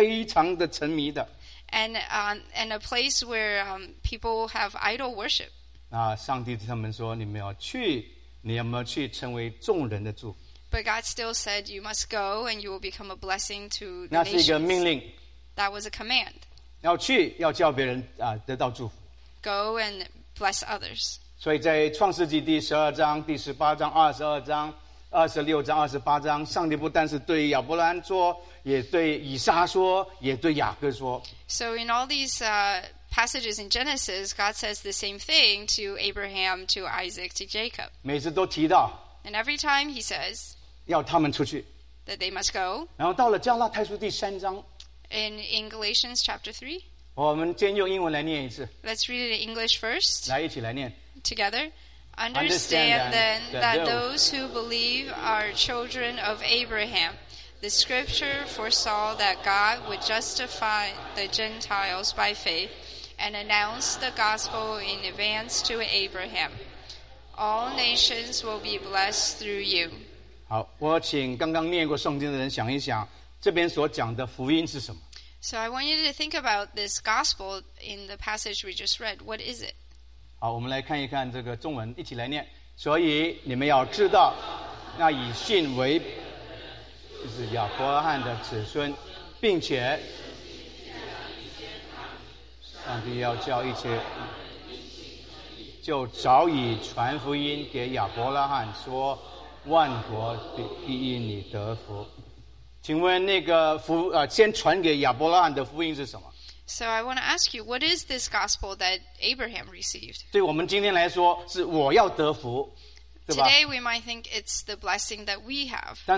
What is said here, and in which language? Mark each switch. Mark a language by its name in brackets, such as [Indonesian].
[English] And a place where people have idol worship. [Chinese] 上帝他们说你们要去 [English] But God still said, you must go and you will become a blessing to the nations. [Chinese] 那是一个命令。 [English] That was a command. [Chinese] 要去, 要叫别人, 得到祝福。 [English] Go and bless others. [Chinese] 所以在创世纪第12章、第18章、22章、26章、28章, 上帝不但是对亚伯兰说, 也对以撒说, 也对雅各说。 [English] So in all these passages in Genesis, God says the same thing to Abraham, to Isaac, to Jacob. [Chinese] 每次都提到, [English] and every time he says [Chinese] 要他们出去, [English] that they must go. [Chinese] 然后到了加拉太书第三章, [English] in Galatians chapter 3, [Chinese] 我们先用英文来念一次, [English] let's read it in English first. [Chinese] 来一起来念, [English] together. Understand then that those who believe are children of Abraham. The scripture foresaw that God would justify the Gentiles by faith and announce the gospel in advance to Abraham. All nations will be blessed through you. [Chinese] 好, 我请刚刚念过圣经的人想一想，这边所讲的福音是什么？ [English] So I want you to think about this gospel in the passage we just read. What is it? [Chinese] 好, 我们来看一看这个中文，一起来念。所以你们要知道，那以信为 就是亚伯拉罕的子孙，并且上帝要叫一切，就早已传福音给亚伯拉罕，说万国必因你得福。请问那个福先传给亚伯拉罕的福音是什么？ [English] So I want to ask you, what is this gospel that Abraham received? [Chinese] 对我们今天来说，是我要得福。 [English] Today we might think it's the blessing that we have.